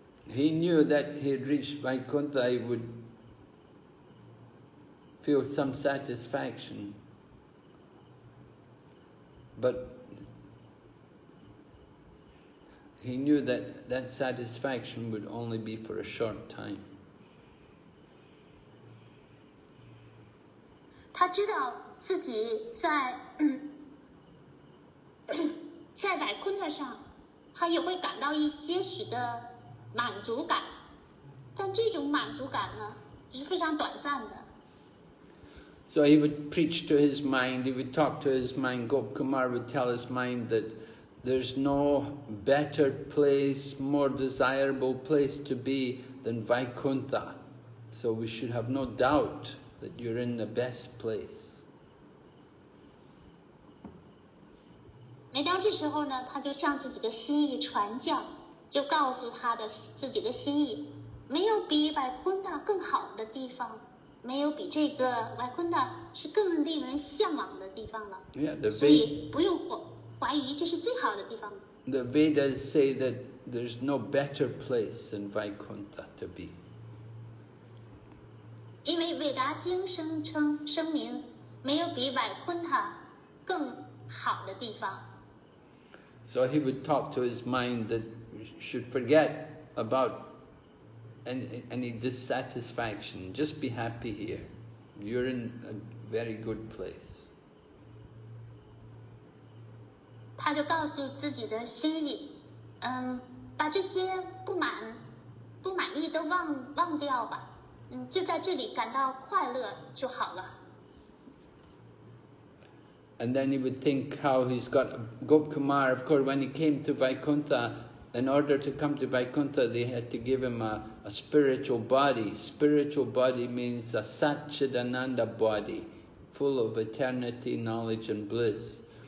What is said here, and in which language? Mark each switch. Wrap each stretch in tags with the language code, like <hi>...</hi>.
<en>He knew that he had reached Vaikuntha, he would feel some satisfaction. But... He knew that satisfaction would only be for a short time.</en> <zh>他知道自己在在百昆特上，他也会感到一些许的满足感，但这种满足感呢是非常短暂的。</zh> <en>So he would preach to his mind. He would talk to his mind. Gopkumar would tell his mind that. There's no better place, more desirable place to be than Vaikuntha. So we should have no doubt that you're in the best place.</en> <zh>每当这时候呢，他就向自己的心意传教，就告诉他的自己的心意，没有比外坤达更好的地方，没有比这个外坤达是更令人向往的地方了。所以不用怀疑，这是最好的地方。</zh> <en>The Vedas say that there's no better place than Vaikuntha to be.</en> <zh>因为韦达经声称声明，没有比外坤达更好的地方。</zh> <en>So he would talk to his mind that should forget about any dissatisfaction. Just be happy here. You're in a very good place.</en> <zh>他就告诉自己的心里，把这些不满意都忘掉吧，就在这里感到快乐就好了。</zh> <en>And then he would think how he's got Gop Kumar. Of course, when he came to Vaikuntha, in order to come to Vaikuntha, they had to give him a spiritual body. Spiritual body means a Satchidananda body, full of eternity, knowledge, and bliss.</en>